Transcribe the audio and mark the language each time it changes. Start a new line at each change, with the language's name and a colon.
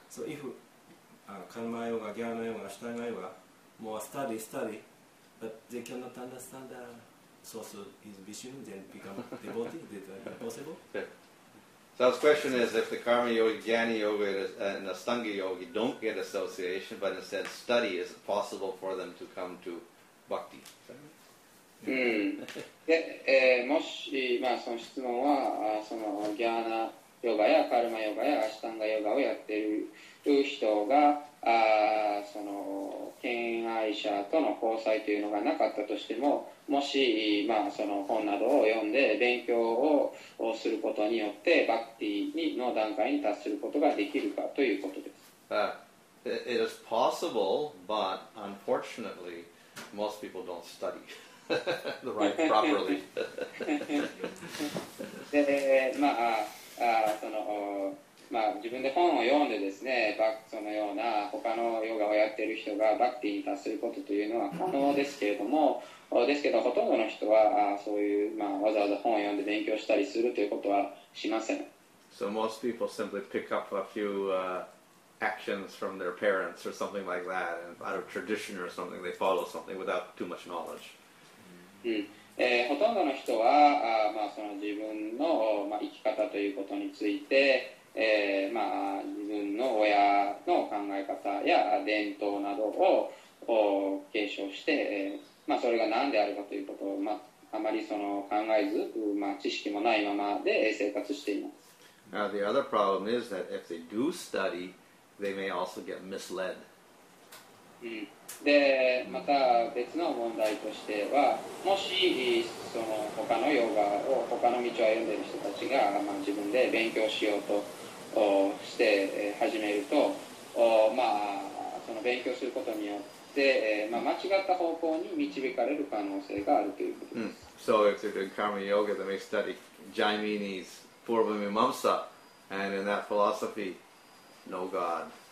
English: So if karma yoga, jnana yoga, ashtanga yoga, more study, but they cannot understand the source is Vishnu, then become devotee, is that possible? Yeah. So his question is, if the karma yoga, jnana yoga, and ashtanga yoga don't get association, but instead study, is it possible for them to come to bhakti?
Japanese: もし、まあ、その質問は、そのジャーナヨガやカルマヨガやアシタンガヨガをやっている人が、その敬愛者との交際というのがなかったとしても、もし、まあ、その本などを読んで勉強をすることによってバクティの段階に達することができるかということです。
English: It is possible, but unfortunately, most people don't study the right properly.
Japanese: で、まあ、そのまあ、自分で本を読んでですね、そのような他のヨガをやっている人がバクティに達することというのは可能ですけれども、ですけどほとんどの人はそういう、まあ、わざわざ本を読んで勉強したりするということはしません。
English: So most people simply pick up a few actions from their parents or something like that, out of tradition or something, they follow something without too much knowledge.
Japanese: ほとんどの人は、まあ、その自分の、まあ、生き方ということについて、まあ、自分の親の考え方や伝統などを継承して、まあ、それが何であるかということを、まあ、あまりその考えず、まあ、知識もないままで生活しています。
English: Now the other problem is that if they do study, they may also get misled、
Japanese: で、また別の問題としては、もしその他のヨガを他の道を歩んでいる人たちが、まあ、自分で勉強しようとして始めると、まあその勉強することによって、まあ、間違った方向に導かれる可能性があるということです。
English: So if they're doing karma yoga, they may study Jaimini's Purva Mimamsa, and in that philosophy, no God.